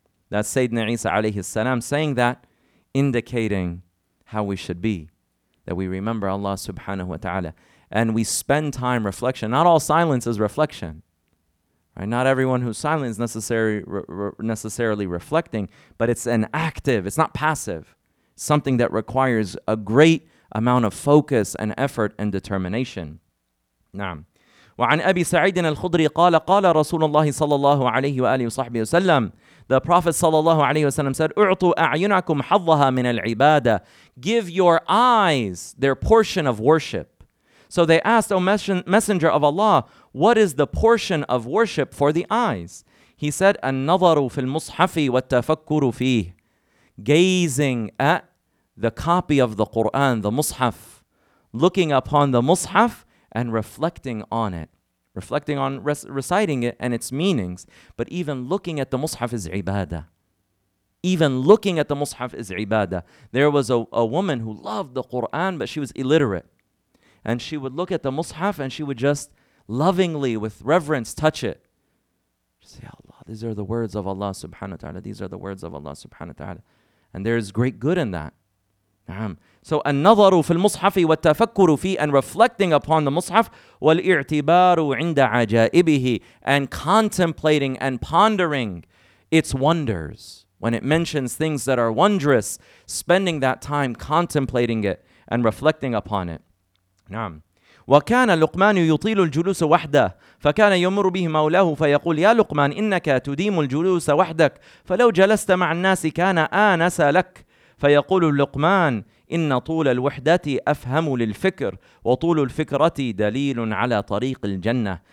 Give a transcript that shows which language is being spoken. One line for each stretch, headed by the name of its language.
English: That's Sayyidina Isa alayhi salam saying that, indicating how we should be, that we remember Allah subhanahu wa ta'ala, and we spend time reflection. Not all silence is reflection. Right? Not everyone who's silent is necessarily reflecting, but it's an active, it's not passive, something that requires a great amount of focus and effort and determination.
Arabic: نعم. وعن أبي سعيد الخضري قال قال رسول الله صلى الله عليه وآله وصحبه وسلم.
English: The Prophet صلى الله عليه وسلم said,
Arabic: أعطوا أعينكم حظها من العبادة.
English: Give your eyes their portion of worship. So they asked, O Messenger of Allah, what is the portion of worship for the eyes? He said,
Arabic: النظر في المصحف والتفكر فيه.
English: Gazing at the copy of the Quran, the Mus'haf. Looking upon the Mus'haf and reflecting on it. Reflecting on reciting it and its meanings. But even looking at the Mus'haf is ibadah. Even looking at the Mus'haf is ibadah. There was a woman who loved the Quran, but she was illiterate. And she would look at the Mus'haf and she would just lovingly, with reverence, touch it. Say, Allah, these are the words of Allah subhanahu wa ta'ala. These are the words of Allah subhanahu wa ta'ala. And there is great good in that. So,
Arabic: النَّظَرُ فِي الْمُصْحَفِ وَالتَّفَكُّرُ فِيهِ,
English: and reflecting upon the Mus'haf,
Arabic: وَالْإِعْتِبَارُ عِنْدَ عَجَائِبِهِ,
English: and contemplating and pondering its wonders. When it mentions things that are wondrous, spending that time contemplating it and reflecting upon it.
Arabic: نعم. وكان لقمان يطيل الجلوس وحده فكان يمر به مولاه فيقول يا لقمان إنك تديم الجلوس وحدك فلو جلست مع الناس كان آنس لك فيقول لقمان إن طول الوحدة أفهم للفكر وطول الفكرة دليل على طريق الجنة.